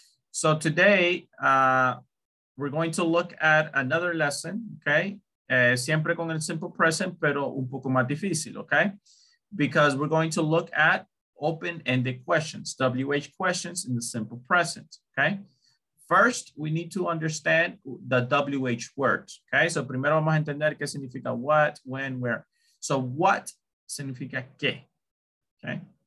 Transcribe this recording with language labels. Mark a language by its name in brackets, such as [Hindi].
[English] So today we're going to look at another lesson. Okay. [Spanish] Siempre con el simple present, pero un poco más difícil, okay? [English] Because we're going to look at open-ended questions, WH questions in the simple present, okay? First, we need to understand the WH words, okay? [Spanish] So primero vamos a entender qué significa what, when, where. So what significa qué, okay?